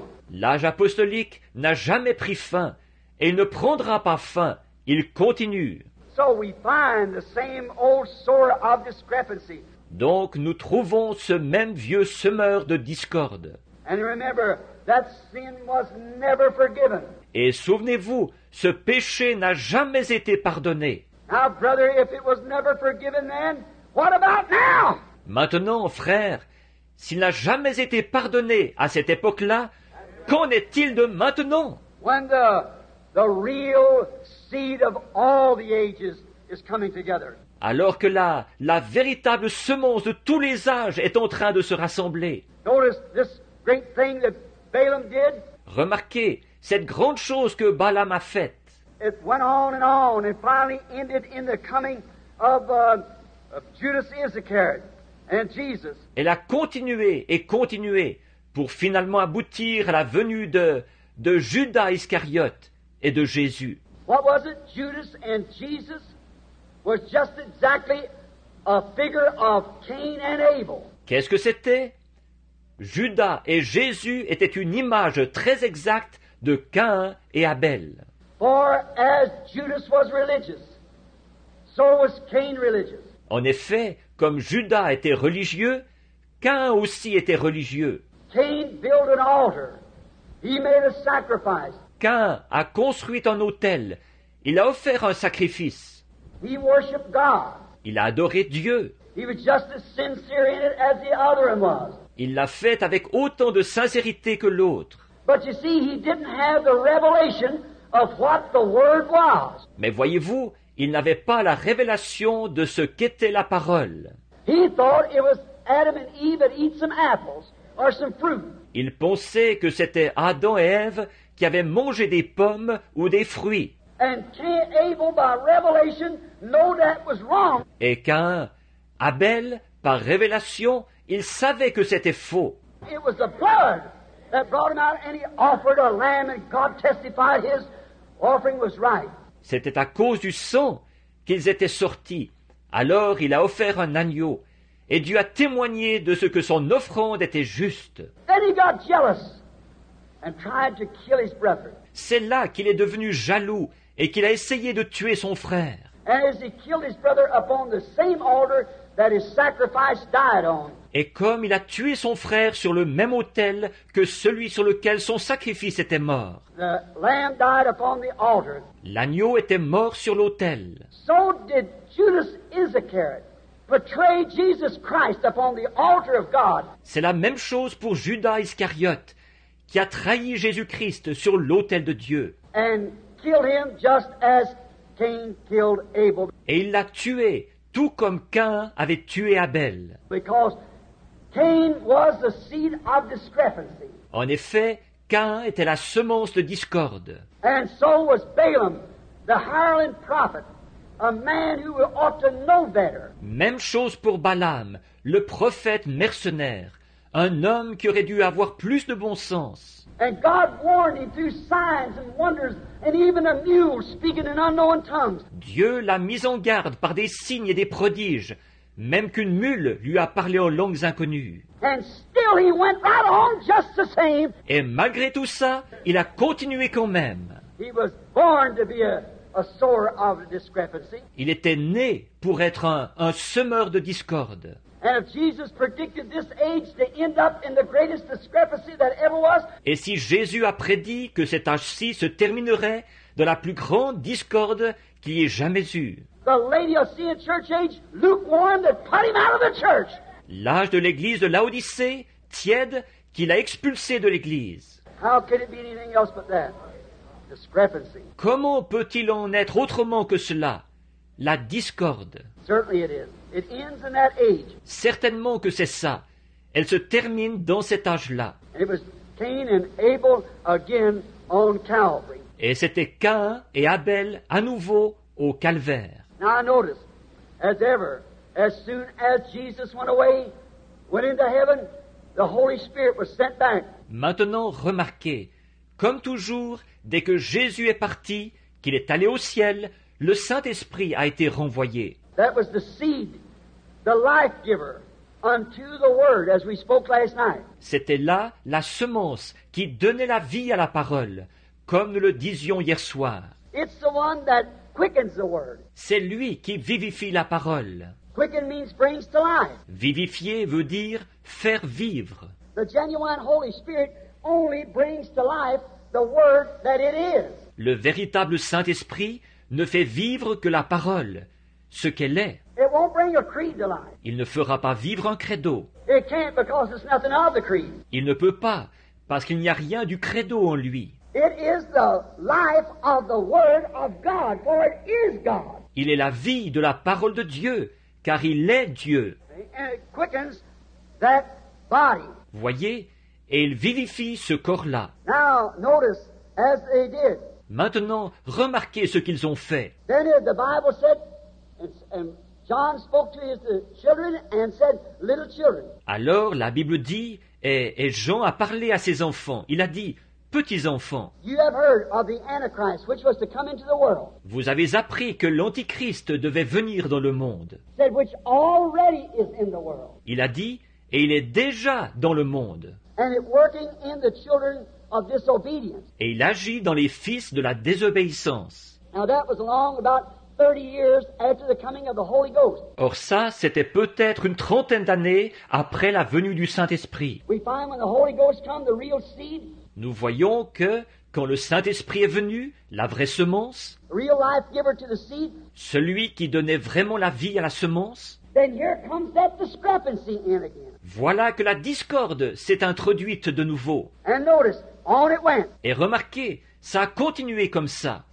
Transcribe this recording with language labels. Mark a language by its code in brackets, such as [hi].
[fr] L'âge apostolique n'a jamais pris fin et il ne prendra pas fin. Il continue. [en] So we find the same old sower of discrepancy. [fr] Donc nous trouvons ce même vieux semeur de discorde. [en] And remember, that sin was never forgiven. [fr] Et souvenez-vous, ce péché n'a jamais été pardonné. [en] Now, brother, if it was never forgiven then, what about now? [fr] Maintenant, frère, s'il n'a jamais été pardonné à cette époque-là, qu'en est-il de maintenant? [en] When the real seed of all the ages is coming together. [fr] Alors que la véritable semence de tous les âges est en train de se rassembler. [en] Notice this great thing that Balaam did. [fr] Remarquez cette grande chose que Balaam a faite. [en] It went on and finally ended in the coming of Judas Iscariot and Jesus. [fr] Elle a continué et continué pour finalement aboutir à la venue de Judas Iscariote et de Jésus. [en] What was it? Judas and Jesus were just exactly a figure of Cain and Abel. [fr] Qu'est-ce que c'était? Judas et Jésus étaient une image très exacte de Cain et Abel. [en] For as Judas was religious, so was Cain religious. [fr] En effet, comme Judas était religieux, Cain aussi était religieux. [en] Cain built an altar. He made a sacrifice. [fr] Cain a construit un autel. Il a offert un sacrifice. [en] He worshiped God. [fr] Il a adoré Dieu. [en] He was just as sincere in it as the other one was. [fr] Il l'a fait avec autant de sincérité que l'autre. [en] But you see, he didn't have the revelation of what the word was. [fr] Mais voyez-vous, il n'avait pas la révélation de ce qu'était la parole. [en] He thought it was Adam and Eve that eat some apples or some fruit. [fr] Il pensait que c'était Adam et Ève qui avaient mangé des pommes ou des fruits. [en] And Cain, Abel, by revelation, know that was wrong. [fr] Et Cain, Abel, par révélation, il savait que c'était faux. [en] It was the blood that brought him out, and he offered a lamb, and God testified his offering was right. [fr] C'était à cause du sang qu'ils étaient sortis. Alors il a offert un agneau, et Dieu a témoigné de ce que son offrande était juste. [en] Then he got jealous and tried to kill his brother. [fr] C'est là qu'il est devenu jaloux et qu'il a essayé de tuer son frère. [en] And as he killed his brother upon the same altar that his sacrifice died on. [fr] Et comme il a tué son frère sur le même autel que celui sur lequel son sacrifice était mort. [en] The lamb died upon the altar. [fr] L'agneau était mort sur l'autel. [en] So did Judas Iscariot betray Jesus Christ upon the altar of God. [fr] C'est la même chose pour Judas Iscariote qui a trahi Jésus-Christ sur l'autel de Dieu. [en] And killed him just as Cain killed Abel. [fr] Et il l'a tué tout comme Cain avait tué Abel. [en] Because Cain was the seed of discrepancy. [fr] En effet, Cain était la semence de discorde. [en] And so was Balaam, the hireling prophet, a man who ought to know better. [fr] Même chose pour Balaam, le prophète mercenaire, un homme qui aurait dû avoir plus de bon sens. [en] And God warned him through signs and wonders, and even a mule speaking in unknown tongues. [fr] Dieu l'a mis en garde par des signes et des prodiges, même qu'une mule lui a parlé en langues inconnues. [en] And still he went right on just the same. [fr] Et malgré tout ça, il a continué quand même. [en] He was born to be a sower of discrepancy. [fr] Il était né pour être un semeur de discorde. [en] And if Jesus predicted this age to end up in the greatest discrepancy that ever was, [fr] et si Jésus a prédit que cet âge-ci se terminerait de la plus grande discorde qu'il y ait jamais eu, [en] the Laodicean church age, lukewarm, that put him out of the church. [fr] L'âge de l'église de Laodicée, tiède, qui l'a expulsé de l'église. [en] How could it be anything else but that? Discrepancy. [fr] Comment peut-il en être autrement que cela? La discorde. [en] Certainly it is. It ends in that age. [fr] Certainement que c'est ça. Elle se termine dans cet âge-là. [en] It was Cain and Abel again on Calvary. [fr] Et c'était Cain et Abel à nouveau au calvaire. [en] Now notice, as ever, as soon as Jesus went away, went into heaven, the Holy Spirit was sent back. [fr] Maintenant remarquez, comme toujours, dès que Jésus est parti, qu'il est allé au ciel, le Saint-Esprit a été renvoyé. [en] That was the seed, the life giver, unto the word, as we spoke last night. [fr] C'était là la semence qui donnait la vie à la parole, comme nous le disions hier soir. [en] It's the one that quickens the word. [fr] C'est lui qui vivifie la parole. [en] Quicken means brings to life. [fr] Vivifier veut dire faire vivre. [en] The genuine Holy Spirit only brings to life the word that it is. [fr] Le véritable Saint-Esprit ne fait vivre que la parole, ce qu'elle est. [en] It won't bring a creed to life. [fr] Il ne fera pas vivre un credo. [en] It can't because it's nothing of the creed. [fr] Il ne peut pas, parce qu'il n'y a rien du credo en lui. [en] It is the life of the word of God, for it is God. [fr] Il est la vie de la parole de Dieu, car il est Dieu. [en] And it quickens that body. [fr] Voyez, et il vivifie ce corps-là. [en] Now, notice, as they did. [fr] Maintenant, remarquez ce qu'ils ont fait. [en] Then the Bible said, and John spoke to his children and said, little children. [fr] Alors la Bible dit, et Jean a parlé à ses enfants. Il a dit, petits enfants. [en] You have heard of the Antichrist, which was to come into the world. [fr] Vous avez appris que l'Antichrist devait venir dans le monde. [en] Said, which already is in the world. [fr] Il a dit, et il est déjà dans le monde. [en] And it working in the children. Of disobedience. [fr] Et il agit dans les fils de la désobéissance. [en] Now that was long, about 30 years after the coming of the Holy Ghost. [fr] Or ça, c'était peut-être une trentaine d'années après la venue du Saint-Esprit. [en] We find when the Holy Ghost come, the real seed. [fr] Nous voyons que quand le Saint-Esprit est venu, la vraie semence, [en] the real life giver to the seed, [fr] celui qui donnait vraiment la vie à la semence, [en] then here comes that discrepancy in again. [fr] Voilà que la discorde s'est introduite de nouveau. [en] And notice, on it went. [fr] Et remarquez, ça a continué comme ça.